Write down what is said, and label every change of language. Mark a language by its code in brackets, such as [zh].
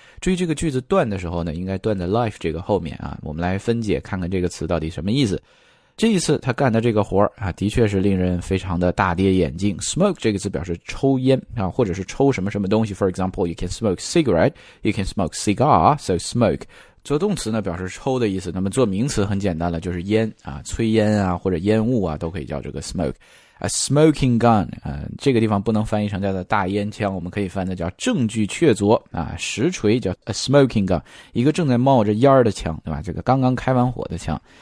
[zh] 至于这个句子断的时候呢，应该断在 life 这个后面啊。我们来分解看看这个词到底什么意思。这一次他干的这个活啊，的确是令人非常的大跌眼镜。 Smoke 这个词表示抽烟啊，或者是抽什么什么东西。 [en] For example, you can smoke cigarette, you can smoke cigar, so smoke. [zh] 做动词呢表示抽的意思。那么做名词很简单了，就是烟啊，催烟啊，或者烟雾啊，都可以叫这个 smoke。 [en] A smoking gun, [zh] 这个地方不能翻译成叫做大烟枪，我们可以翻的叫证据确凿啊，实锤叫 [en] a smoking gun, [zh] 一个正在冒着烟的枪，对吧，这个刚刚开完火的枪。